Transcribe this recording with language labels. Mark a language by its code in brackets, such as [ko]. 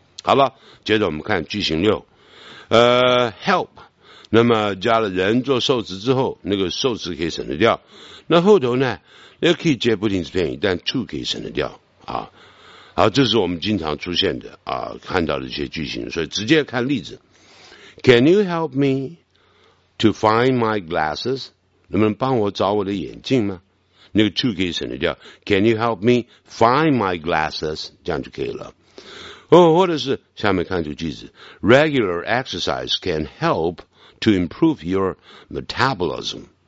[zh] 好了，接着我们看句型六，help， 那么加了人做受词之后，那个受词可以省得掉。那后头呢，也可以接不停止片语，但 to 可以省得掉啊。好，这是我们经常出现的啊，看到的一些句型，所以直接看例子。 [en] Can you help me to find my glasses？ [zh] 能不能帮我找我的眼镜吗？那个 to 可以省得掉。 [en] Can you help me find my glasses？ [zh] 这样就可以了。哦，或者是下面看这个句子 [en] ：Regular exercise can help to improve your metabolism。